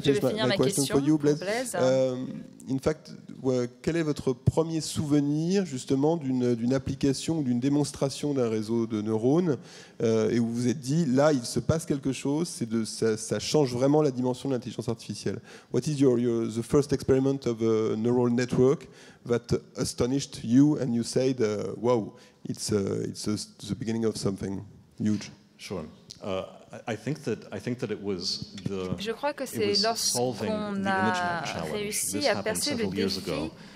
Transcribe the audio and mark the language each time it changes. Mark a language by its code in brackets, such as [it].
[en] finish my, my question for you, Blaise. In fact, [fr] quel est votre premier souvenir justement d'une, d'une application ou d'une démonstration d'un réseau de neurones et où vous vous êtes dit, là, il se passe quelque chose, c'est de, ça, ça change vraiment la dimension de l'intelligence artificielle. [en] What is your the first experiment of a neural network that astonished you and you said, wow, it's the beginning of something huge? Sure. I think that it was the, [fr] je crois que c'est lorsqu'on a réussi à percer le défi